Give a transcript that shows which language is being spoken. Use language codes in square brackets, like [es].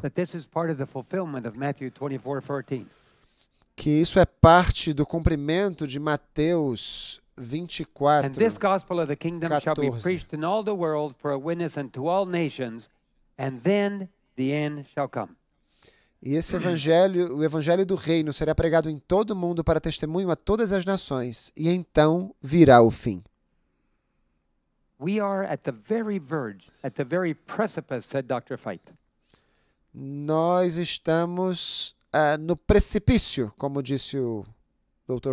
[en] That this is part of the fulfillment of Matthew 24:14. [pt] Que isso é parte do cumprimento de Mateus 24:14. [en] And this gospel of the kingdom shall be preached in all the world for a witness unto all nations, and then the end shall come. [pt] E esse evangelho, o evangelho do reino, será pregado em todo o mundo para testemunho a todas as nações, e então virá o fim. [en] We are at the very verge, at the very precipice, said Dr. Veith. [pt] Nós estamos no precipício, como disse o Dr.